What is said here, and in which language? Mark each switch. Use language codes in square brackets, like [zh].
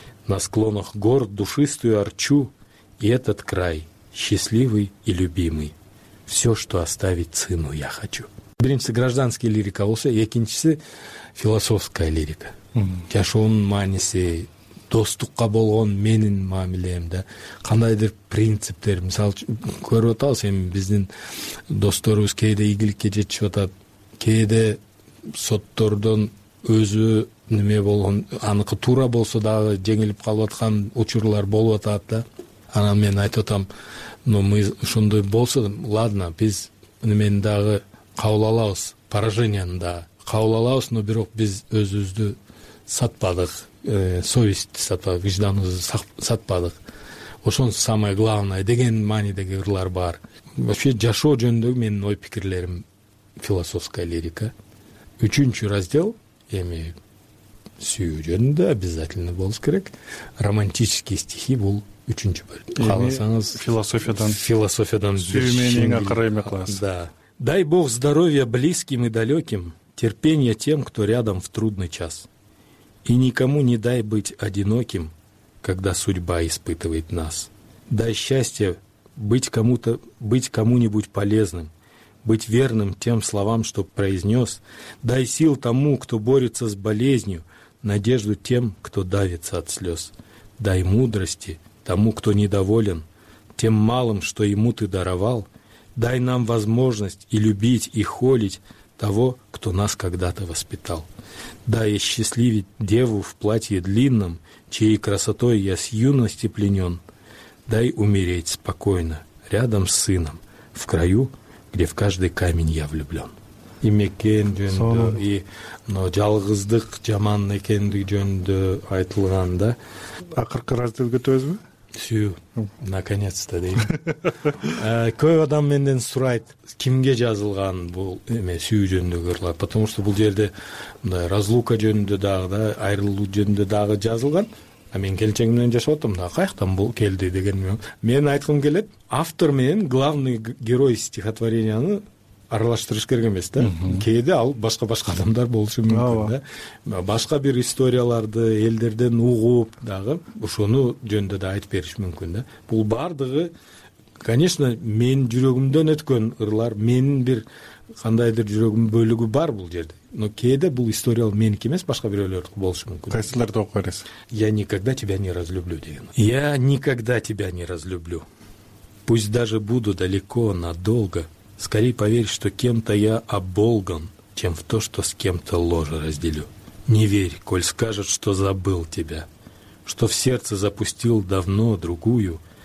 [ru] На склонах гор душистую арчу, и этот край счастливый и любимый. Все, что оставить сыну, я хочу. [ky] Беринчисы гражданская лирика болса, экинчисы философская лирика. Жашоон мааниси, достукка болгон менин мамилем, да? Кандайдыр принциптер, мисалы үчүн, көрүп атабыз, эми биздин досторубуз кээде ийгиликке жетишип атат, кээде соттордон өзү неме болгон, аныкы туура болсо дагы жеңилип калып аткан учурлар болуп атат да. Анан мен айтып атам, ну мы ошондой болсо, ладно, биз немени дагы кабыл алабыз, поражениянын дагы кабыл алабыз, но бирок биз өзүбүздү сатпадык, совестти сатпадык, вижданыбызды сатпадык. Ошон самое главное деген маанидеги ырлар бар. Вообще жашоо жөнүндөгү менин ой пикирлерим философская лирика. Үчүнчү раздел эми сүйүү жөнүндө обязательно болуш керек. Романтические стихи бул үчүнчү бөлүм. Кааласаңыз философиядан. Философиядан сүйүү менен эң акыры эме кылабыз. Да. [ru] Дай Бог здоровья близким и далеким, терпения тем, кто рядом в трудный час. И никому не дай быть одиноким, когда судьба испытывает нас. Дай счастье быть кому-то, быть кому-нибудь полезным, быть верным тем словам, что произнес. Дай сил тому, кто борется с болезнью, надежду тем, кто давится от слез. Дай мудрости тому, кто недоволен тем малым, что ему ты даровал. Дай нам возможность и любить, и холить того, кто нас когда-то воспитал. Дай осчастливить деву в платье длинном, чьей красотой я с юности пленен. Дай умереть спокойно, рядом с сыном, в краю, где в каждый камень я влюблен. [ky] И мекендюнду, и но жалгыздык жаман экендүгүндө айтылган да. Акыркы раздел көтөрөбүз? Сүйүү. Наконец-то дейм. Көп адам менден сурайт, кимге жазылган бул эме сүйүү жөнүндө ырлар, потому что бул жерде мындай разлука жөнүндө дагы да, айрылуу жөнүндө дагы жазылган. А мен келинчегим менен жашап атам да, каяктан бул келди деген мен айткым келет. Автор менен главный герой стихотворениянын аралаштырыш керек эмес да. Кээде ал башка-башка адамдар болушу мүмкүн да. Башка бир историяларды элдерден угуп дагы ошону жөнүндө да айтып бериш мүмкүн да. Бул баардыгы конечно менин жүрөгүмдөн өткөн ырлар, менин бир кандайдыр жүрөгүм бөлүгү бар бул жерде. Но кээде бул история меники эмес, башка бирөөлөрдүкү болушу мүмкүн. Кайсыларды окуп бересиз? [ru] Я никогда тебя не разлюблю деген. Я никогда тебя не разлюблю. Пусть даже буду далеко надолго. Скорей поверь, что кем-то я оболган, чем в то, что с кем-то ложе разделю. Не верь, коль скажет, что забыл тебя, что в сердце запустил давно другую.